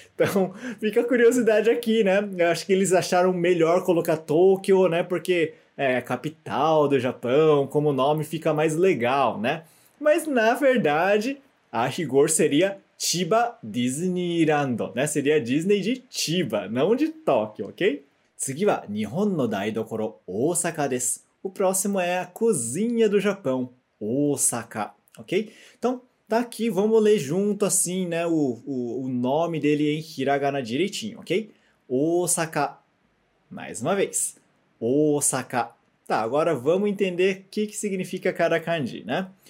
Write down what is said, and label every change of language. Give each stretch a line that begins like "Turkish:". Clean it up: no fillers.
Portuguese: Então, fica a curiosidade aqui, né, eu acho que eles acharam melhor colocar Tóquio, né, porque é a capital do Japão, como o nome fica mais legal, né? Mas, na verdade, a rigor seria Chiba Disneyland, né, seria a Disney de Chiba, não de Tóquio, ok?
Japanese: 次は日本の台所、大阪です。
Portuguese: O próximo é a cozinha do Japão, Osaka, ok? Então, tá aqui, vamos ler junto assim, né, o nome dele em hiragana direitinho, ok? Osaka, mais uma vez, Osaka. Tá, agora vamos entender o que que significa cada kanji, né?